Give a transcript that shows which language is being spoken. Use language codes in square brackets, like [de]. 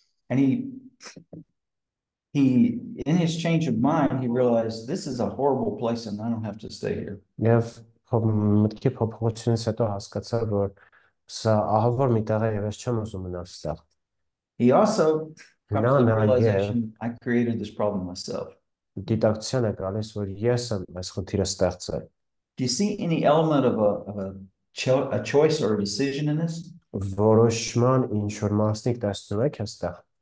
[en] And he in his change of mind, he realized this is a horrible place and I don't have to stay here. He also comes to the realization, I created this problem myself. [hy] Դիտակցիան է գալիս, որ ես եմ այս խնդիրը ստեղծել. [en] Do you see any element of a choice or a decision in this? [hy] Որոշման ինչ-որ մասնիկ տեսնում եք այստեղ?